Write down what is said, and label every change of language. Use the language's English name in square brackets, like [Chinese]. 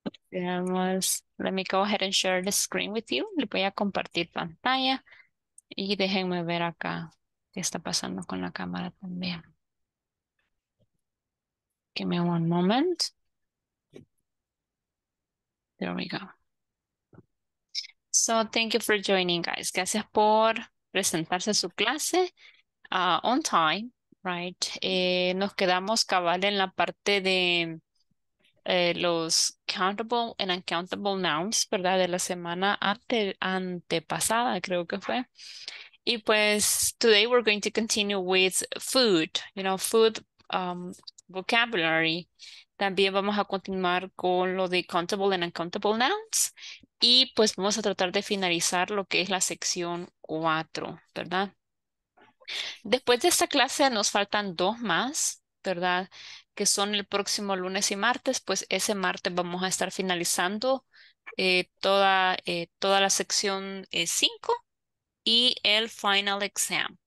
[English] Let me go ahead and share the screen with you. [Spanish] Le voy a compartir pantalla. Y déjenme ver acá qué está pasando con la cámara también. [English] Give me one moment. There we go. So thank you for joining, guys. [Spanish] Gracias por presentarse a su clase [English] on time. Right. [Spanish] Nos quedamos cabal en la parte de los [English] countable and uncountable nouns, [Spanish] ¿verdad? De la semana antepasada, creo que fue. Y pues, [English] today we're going to continue with food, you know, food vocabulary. [Spanish] También vamos a continuar con lo de [English] countable and uncountable nouns. [Spanish] Y pues vamos a tratar de finalizar lo que es la sección 4, ¿verdad? Después de esta clase nos faltan dos más, ¿verdad? Que son el próximo lunes y martes. Pues ese martes vamos a estar finalizando toda la sección 5 y el final exam.